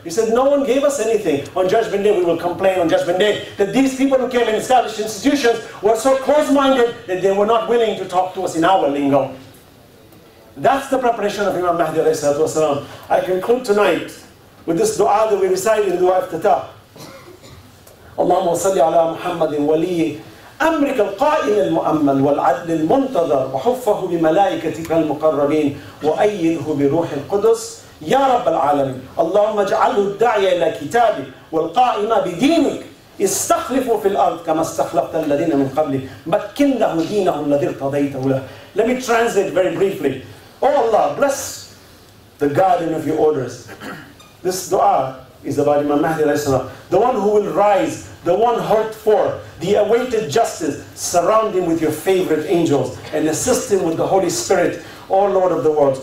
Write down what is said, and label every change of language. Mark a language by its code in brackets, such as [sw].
[en] He said, no one gave us anything. On Judgment Day, we will complain on Judgment Day that these people who came and established institutions were so close-minded that they were not willing to talk to us in our lingo. That's the preparation of Imam Mahdi alayhi salatu wasalam. I conclude tonight with this dua that we recited in dua iftitah. [ar] Allahumma salli ala Muhammadin waliyyi أمرك القائم المؤمن والعدل المنتظر وحفه بملائكتك المقربين وأيده بروح القدس يا رب العالمين اللهم اجعله الداعي إلى كتابك والقائم بدينك استخلفه في الأرض كما استخلفت الذين من قبلك مكن له دينه الذي ارتضيته له. [en] Let me translate very briefly. Oh Allah, bless the guardian of your orders. This dua is about Imam Mahdi alayhi salam, the one who will rise, the one hoped for, the awaited justice. Surround him with your favorite angels and assist him with the Holy Spirit, O Lord of the worlds.